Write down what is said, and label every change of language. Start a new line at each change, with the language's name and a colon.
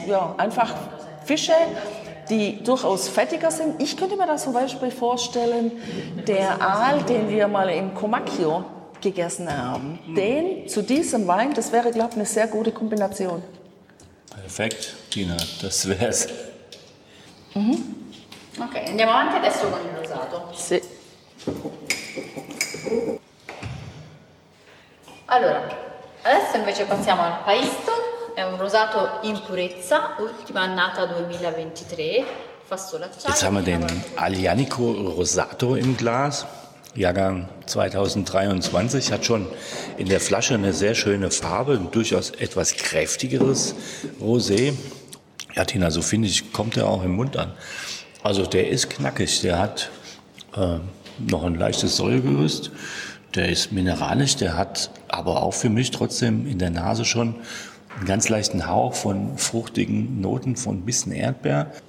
German: Ja, einfach Fische, die durchaus fettiger sind. Ich könnte mir das zum Beispiel vorstellen, der Aal, den wir mal in Comacchio gegessen haben, den zu diesem Wein, das wäre, glaube ich, eine sehr gute Kombination. Perfekt, Tina, das wäre es.
Italian: Okay, andiamo avanti adesso con il rosato. Sì. Allora, adesso invece passiamo al Paisto, è un rosato in purezza, ultima annata 2023, fasso l'acciaio.
German: Jetzt haben wir den Aglianico Rosato im Glas, Jahrgang 2023, hat schon in der Flasche eine sehr schöne Farbe, ein durchaus etwas kräftigeres Rosé. Ja, Tina, so finde ich, kommt er auch im Mund an. Also der ist knackig, der hat noch ein leichtes Säuregerüst, der ist mineralisch, der hat aber auch für mich trotzdem in der Nase schon einen ganz leichten Hauch von fruchtigen Noten, von ein bisschen Erdbeer.